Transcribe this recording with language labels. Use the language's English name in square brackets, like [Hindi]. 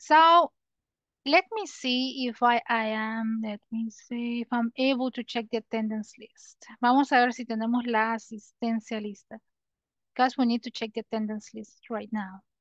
[English] So let me see if I am, let me see if I'm able to check the attendance list. [Spanish] Vamos a ver si tenemos la asistencia lista. [English] Because we need to check the attendance list right now.